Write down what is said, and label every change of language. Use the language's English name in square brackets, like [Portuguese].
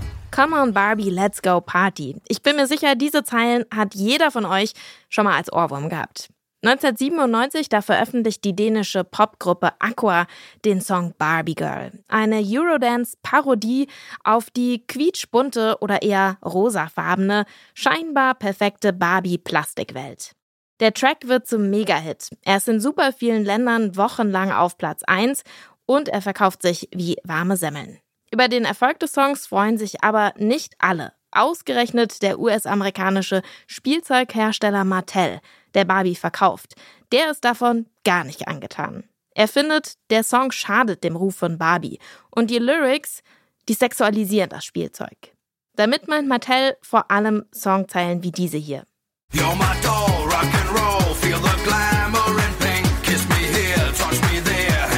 [English] Come on Barbie, let's go party. [German] Ich bin mir sicher, diese Zeilen hat jeder von euch schon mal als Ohrwurm gehabt. 1997, da veröffentlicht die dänische Popgruppe Aqua den Song Barbie Girl. Eine Eurodance-Parodie auf die quietschbunte oder eher rosafarbene, scheinbar perfekte Barbie-Plastikwelt. Der Track wird zum Mega-Hit. Er ist in super vielen Ländern wochenlang auf Platz 1 und er verkauft sich wie warme Semmeln. Über den Erfolg des Songs freuen sich aber nicht alle. Ausgerechnet der US-amerikanische Spielzeughersteller Mattel, der Barbie verkauft. Der ist davon gar nicht angetan. Er findet, der Song schadet dem Ruf von Barbie. Und die Lyrics, die sexualisieren das Spielzeug. Damit meint Mattel vor allem Songzeilen wie diese hier. [English] You're my doll, rock and roll, feel the glamour in pink, kiss me here, touch me there.